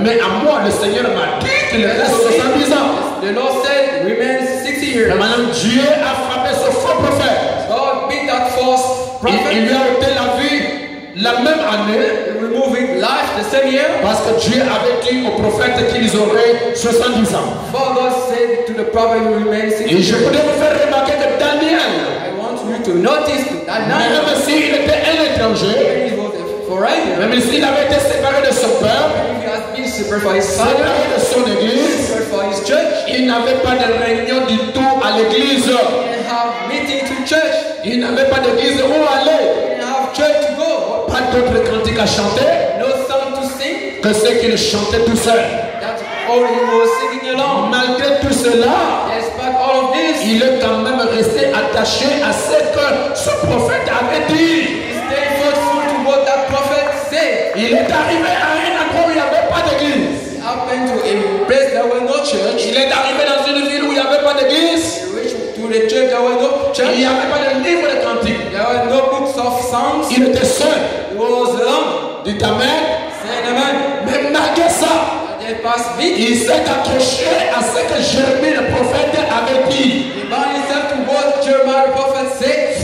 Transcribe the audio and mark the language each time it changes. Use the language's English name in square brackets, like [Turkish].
[French] Mais à moi, le Seigneur m'a dit qu'il reste 70 ans. [English] The Lord said, remain 60 years. [French] Et maintenant, Dieu a frappé ce faux prophète. [English] God beat that false prophet. [French] Et il lui a ôté la vie la même année. [English] Moving life the same year. [French] Parce que Dieu avait dit aux prophètes qu'ils auraient 70 ans. [English] For God said to the prophet who remains 60 [French] years. Et je voudrais vous faire remarquer que Daniel. [English] I want you to notice that Daniel. [French] Même s'il était un étranger. [English] Foreigner. [French] Même s'il avait été séparé de son père. [English] He has been separated from his father. [French] Séparé de son église. [English] Separated from his church. [French] Il n'avait pas de réunion du tout à l'église. [English] He didn't have meeting to church. [French] Il n'avait pas d'église où aller. Pas d'autre cantique à chanter [English] no song to sing. [French] Que ce qu'il chantait tout seul. [English] All he was singing alone. [French] Malgré tout cela, [English] despite all of this, [French] il est quand même resté attaché à ce que ce prophète avait dit. [English] He stayed faithful to what that prophet said. [French] Il est arrivé à un endroit où il n'y avait pas d'église. [English] He happened to a place there were no church. [French] Il est arrivé dans une ville où il n'y avait pas d'église. [English] Les church, there were no church. [French] Il n'y avait pas de livre de cantique. [English] There were no books of songs. [French] Il était seul. [English] He was alone. [French] Dit amen. [English] Said amen. [French] Mais malgré ça, [English] they passed vite. [French] Il s'est accroché à ce que Jérémie le prophète avait dit. [English] He bound himself to what Jeremiah the prophet said.